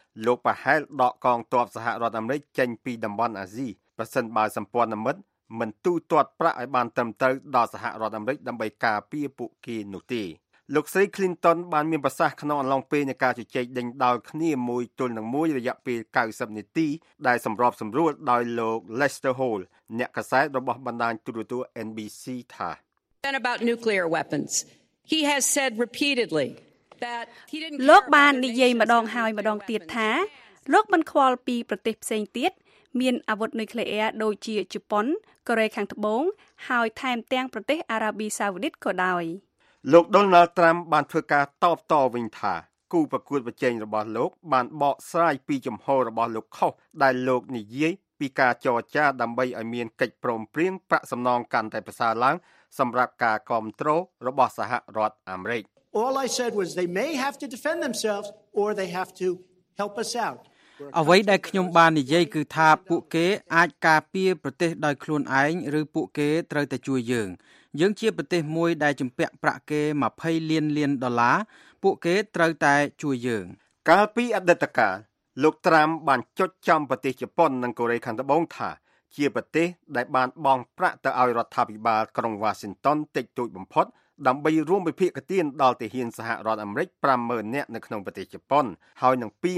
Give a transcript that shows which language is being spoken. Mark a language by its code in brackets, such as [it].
[km] លោកប្រហែលដកកងទ័ពសហរដ្ឋអាមេរិកចេញពីតំបន់អាស៊ីប្រសិនបើសម្ព័ន្ធមិត្តមិនទូទាត់ប្រាក់ឲ្យបានត្រឹមត្រូវដល់សហរដ្ឋអាមេរិកដើម្បីការពីពួកគេនោះទេលោកស្រី Clinton បានមានប្រសាសន៍ក្នុងអំឡុងពេលនៃការជជែកដេញដោលគ្នាមួយទល់នឹងមួយរយៈពេល90នាទីដែលសម្របសម្រួលដោយលោក Lester Hall អ្នកកាសែតរបស់បណ្ដាញទូរទស្សន៍ NBC ថា [en] Then about nuclear weapons he has said repeatedly that he didn't [km] លោកបាននិយាយម្ដងហើយម្ដងទៀតថាលោកមិនខ្វល់ពីប្រទេសផ្សេងទៀតមានអាវុធនុយក្លេអ៊ែរដូចជាជប៉ុនកូរ៉េខាងត្បូងហើយថែមទាំងប្រទេសអារ៉ាប៊ីសាអូឌីតក៏ដោយ លោក Donald Trump បានធ្វើការតបតវិញថាគូប្រកួតប្រជែងរបស់លោកបានបកស្រាយពីជំហររបស់លោកខុសដែលលោកនិយាយពីការចរចាដើម្បីឲ្យមានកិច្ចព្រមព្រៀងប្រាក់សំណងកាន់តែប្រសើរឡើងសម្រាប់ការគ្រប់គ្រងរបស់សហរដ្ឋអាមេរិក [en] All I said was they may have to defend themselves or they have to help us out [km] អ្វីដែលខ្ញុំបាននិយាយគឺថាពួកគេអាចការពារប្រទេសដោយខ្លួនឯងឬពួកគេត្រូវតែជួយយើងយើងជាប្រទេសមួយដែលជំពាក់ប្រាក់គេ20លានលានដុល្លារពួកគេត្រូវតែជួយយើង កាលពីអតីតកាលលោកត្រាំបានចុចចំប្រទេសជប៉ុននិងកូរ៉េខាងត្បូងថាជាប្រទេសដែលបានបង់ប្រាក់ទៅឲ្យរដ្ឋាភិបាលក្រុងវ៉ាស៊ីនតោនតិចតួចបំផុតដើម្បីរួមវិភាគទានដល់ទាហានសហរដ្ឋអាមេរិក 50,000 នាក់នៅក្នុងប្រទេសជប៉ុនហើយនិង